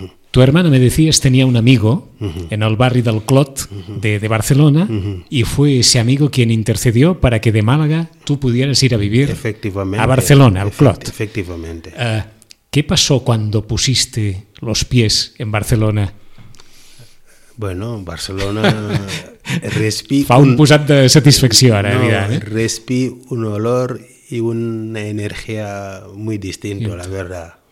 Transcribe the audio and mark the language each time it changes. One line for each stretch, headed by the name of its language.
Spanish: Tu hermana, me decías, tenía un amigo en el barrio del Clot de Barcelona y fue ese amigo quien intercedió para que de Málaga tú pudieras ir a vivir a Barcelona, al Clot. Efectivamente. ¿Qué pasó cuando pusiste los pies en Barcelona? Bueno, Barcelona... respi
Catalan: fa un posat de satisfacció ara, mira. No, respi un olor i una energia
Spanish: muy distinta, la verdad.